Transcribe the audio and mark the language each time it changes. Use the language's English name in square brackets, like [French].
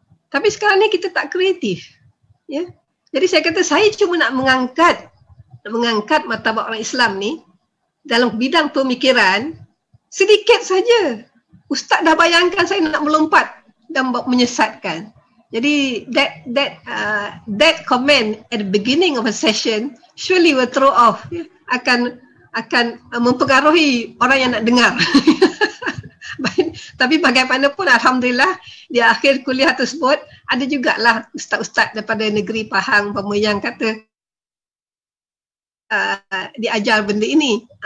[Malay] Tapi sekarang ni kita tak kreatif. Ya. Jadi saya kata saya cuma nak mengangkat martabat orang Islam ni dalam bidang pemikiran sedikit saja. Ustaz dah bayangkan saya nak melompat dan menyesatkan. [English] Jadi that comment at the beginning of a session surely will throw off, ya. [Malay] akan mempengaruhi orang yang nak dengar. Tapi bagaimanapun, alhamdulillah di akhir kuliah tersebut ada jugalah ustaz-ustaz daripada negeri Pahang yang kata diajar benda ini.